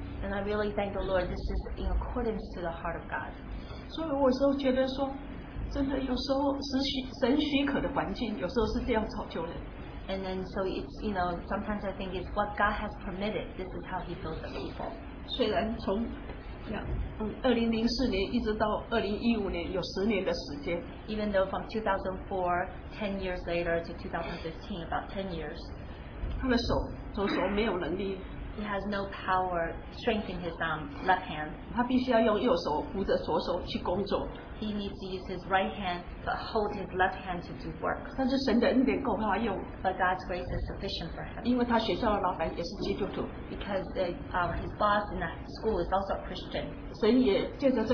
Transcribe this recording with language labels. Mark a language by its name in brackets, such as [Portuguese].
[English] and I really thank the Lord, this is in accordance to the heart of God. [Chinese] 所以我有时候觉得说, 真的有时候神许可的环境,有时候是这样造就人。 [English] And then so it's, you know, sometimes I think it's what God has permitted, this is how he builds the people. [Chinese] 虽然从 2004年一直到2015年 有10年的时间, [English] even though from 2004 10 years later to 2015 about 10 years [Chinese] 他的手没有能力, [English] he has no power strength in his left hand, [Chinese] 他必须要用右手扶着左手去工作, [English] he needs to use his right hand but hold his left hand to do work, [Chinese] 但是神的恩典够他用, [English] but God's grace is sufficient for him, [Chinese] 因为他学校的老板也是基督徒, [English] because his boss in that school is also a Christian.